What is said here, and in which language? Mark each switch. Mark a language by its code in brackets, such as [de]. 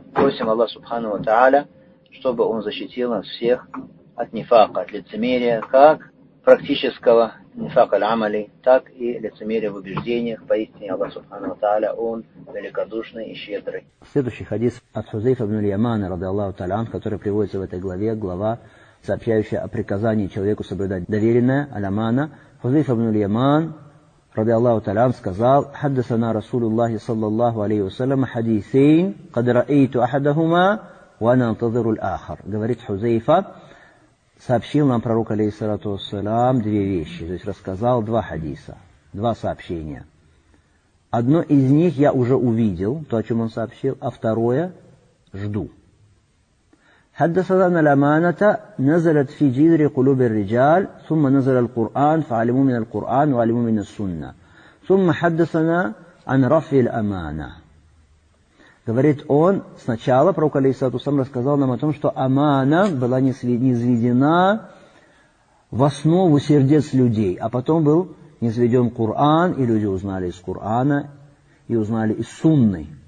[ru] Просим Аллах Субхану ва Тааля, чтобы Он защитил нас всех от нифака, от лицемерия, как практического нифака аль-амали, так и лицемерия в убеждениях. Поистине Аллах Субхану ва Тааля, Он великодушный и щедрый. Следующий хадис от Хузейфа ибн аль-Ямана, ради Аллаху Таалан, который приводится в этой главе, глава, сообщающая о приказании человеку соблюдать доверенное аль-амана. [ar] Хузейф ибн аль-Яман, رضي الله تعالى عنه сказал حدثنا رسول الله صلى الله عليه وسلم حديثين قد رأيت أحدهما وأنا أنتظر الآخر. [ru] Говорит Хузейфа, сообщил нам пророк алейхиссалату вассалам две вещи, то есть рассказал два хадиса, два сообщения. Одно из них я уже увидел, то, о чем он сообщил, а второе жду. [ar] حدثنا الأمانة نزلت في جذر قلوب الرجال ثم نزل القرآن فعلموا من القرآن وعلموا من السنة ثم حدثنا عن رفع الأمانة. [ru] Говорит он, сначала пророк алейхиссалату вассалам рассказал нам о том, что амана была низведена в основу сердец людей, а потом был низведен Коран, и люди узнали из Корана и узнали из Сунны.